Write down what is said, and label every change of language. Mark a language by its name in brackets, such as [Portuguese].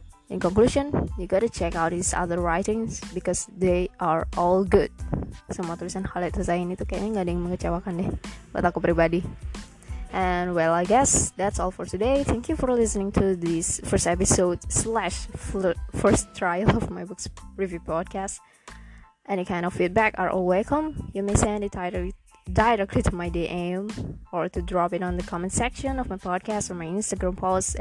[English] In conclusion, you gotta check out his other writings because they are all good. [Indonesian] Semua tulisan Khaled Hosain itu kayaknya gak ada yang mengecewakan deh buat aku pribadi. [English] And well, I guess that's all for today. Thank you for listening to this first episode /first trial of my book's review podcast. Any kind of feedback are all welcome. You may send it directly to my DM or to drop it on the comment section of my podcast or my Instagram post.